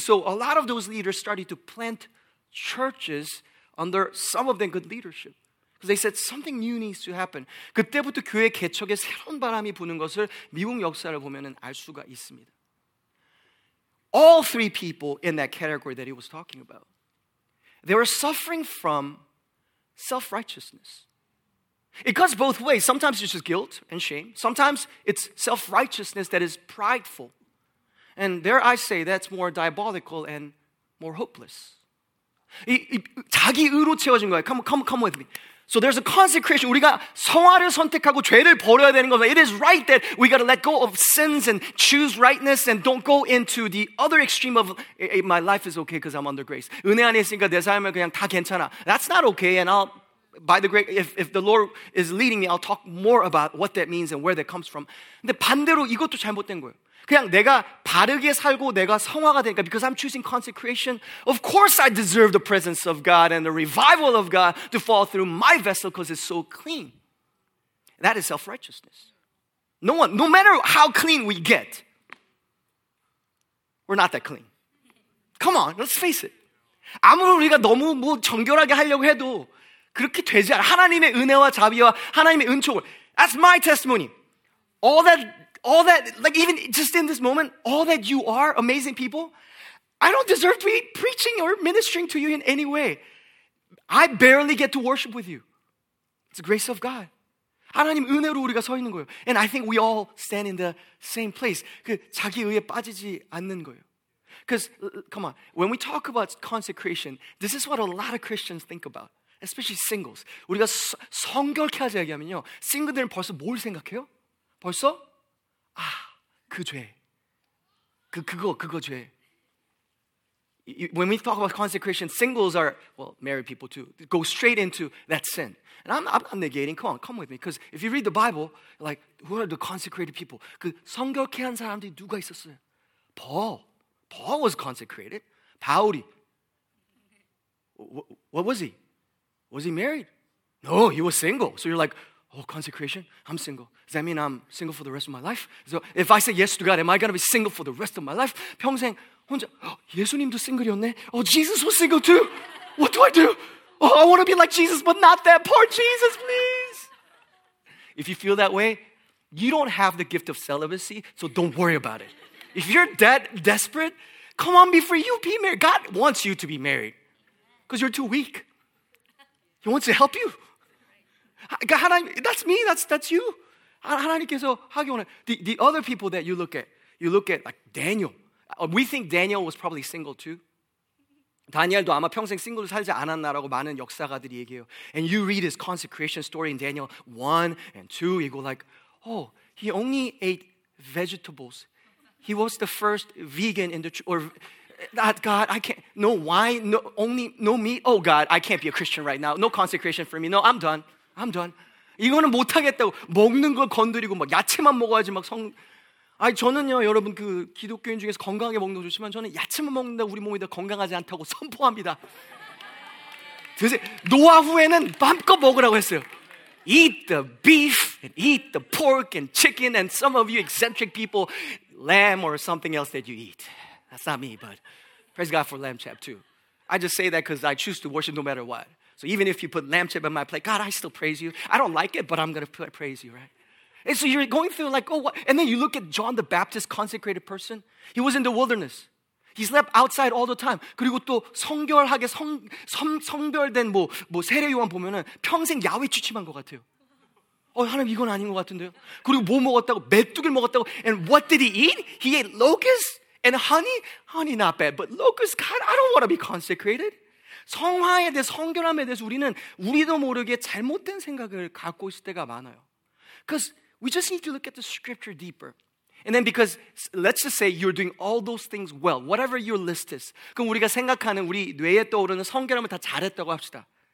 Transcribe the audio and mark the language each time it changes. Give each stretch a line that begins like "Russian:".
English: So a lot of those leaders started to plant churches under some of their good leadership. They said something new needs to happen.
Korean: 그때부터 교회 개척에 새로운 바람이 부는 것을 미국 역사를 보면은 알 수가 있습니다.
English: All three people in that category that he was talking about, they were suffering from self-righteousness. It goes both ways. Sometimes it's just guilt and shame. Sometimes it's self-righteousness that is prideful. And there I say that's more diabolical and more hopeless.
Korean: 자기의로 채워진 거예요.
English: Come with me. So there's a consecration.
Korean: 우리가 성화를 선택하고 죄를 버려야 되는 거예요.
English: It is right that we got to let go of sins and choose rightness and don't go into the other extreme of my life is okay because I'm under grace.
Korean: 은혜 안에 있으니까 내 삶은 그냥 다 괜찮아.
English: That's not okay. And I'll, by the grace, if the Lord is leading me, I'll talk more about what that means and where that comes from.
Korean: 근데 반대로 이것도 잘못된 거예요. 그냥 내가 바르게 살고 내가 성화가 되니까
English: because I'm choosing consecration. Of course I deserve the presence of God and the revival of God to fall through my vessel because it's so clean. That is self-righteousness. No matter how clean we get, we're not that clean. Come on, let's face it.
Korean: 아무리 우리가 너무 뭐 정결하게 하려고 해도 그렇게 되지 않아. 하나님의 은혜와 자비와 하나님의 은총을.
English: That's my testimony. All that, like even just in this moment, all that you are, amazing people, I don't deserve to be preaching or ministering to you in any way. I barely get to worship with you. It's the grace of God.
Korean: 하나님 은혜로 우리가 서 있는 거예요.
English: And I think we all stand in the same place.
Korean: 그 자기 의에 빠지지 않는 거예요.
English: Because, come on, when we talk about consecration, this is what a lot of Christians think about, especially singles.
Korean: 우리가 성결케 하자 얘기하면요. 싱글들은 벌써 뭘 생각해요? 벌써? 아, 그 죄. 그거 죄.
English: When we talk about consecration, singles are, well, married people too, go straight into that sin. And I'm negating, come with me. Because if you read the Bible, like, who are the consecrated people?
Korean: 그 성결케 한 사람들이 누가 있었어요?
English: Paul. Paul was consecrated.
Korean: 바울이.
English: What was he? Was he married? No, he was single. So you're like, oh, consecration? I'm single. Does that mean I'm single for the rest of my life? So if I say yes to God, am I going to be single for the rest of my life?
Korean: 평생 혼자, oh, 예수님도 싱글이었네?
English: Oh, Jesus was single too? What do I do? Oh, I want to be like Jesus, but not that poor Jesus, please. If you feel that way, you don't have the gift of celibacy, so don't worry about it. If you're that desperate, come on, be free. You be married. God wants you to be married because you're too weak. He wants to help you. 하나님, that's me, that's you.
Korean: 하나님께서 하기 원해.
English: The other people that you look at, You look at like Daniel. We think Daniel was probably single too.
Korean: 다니엘도 아마 평생 싱글로 살지 않았나라고 많은 역사가들이 얘기해요.
English: And you read his consecration story in Daniel 1 and 2. You go like, oh, he only ate vegetables. He was the first vegan in the church. Or not, God, I can't. No wine, no meat. Oh, God, I can't be a Christian right now. No consecration for me. No, I'm done. I'm done.
Korean: 이거는 못하겠다고. 먹는 걸 건드리고 막 야채만 먹어야지 막 성... 아니 저는요 여러분 그 기독교인 중에서 건강하게 먹는 거 좋지만 저는 야채만 먹는다 우리 몸이 더 건강하지 않다고 선포합니다. 드세요. 노화 후에는 맘껏 먹으라고 했어요.
English: Eat the beef and eat the pork and chicken and some of you eccentric people, lamb or something else that you eat. That's not me, but praise God for lamb chop too. I just say that because I choose to worship no matter what. So even if you put lamb chop in my plate, God, I still praise you. I don't like it, but I'm going to praise you, right? And so you're going through like, oh, what? And then you look at John the Baptist, consecrated person. He was in the wilderness. He slept outside all the time.
Korean: 그리고 또 성결하게 성별된 뭐 세례요한 보면은 평생 야외 취침한 것 같아요. 어, 하나님 이건 아닌 것 같은데요. 그리고 뭐 먹었다고? 메뚜기를 먹었다고.
English: And what did he eat? He ate locusts and honey. Honey, not bad. But locusts, God, I don't want to be consecrated.
Korean: 성화에 대해 성결함에 대해서 우리는 우리도 모르게 잘못된 생각을 갖고 있을 때가 많아요.
English: Because we just need to look at the scripture deeper. And then because, let's just say you're doing all those things well, whatever your list is.
Korean: 그럼 우리가 생각하는 우리 뇌에 떠오르는 성결함을 다 잘했다고 합시다.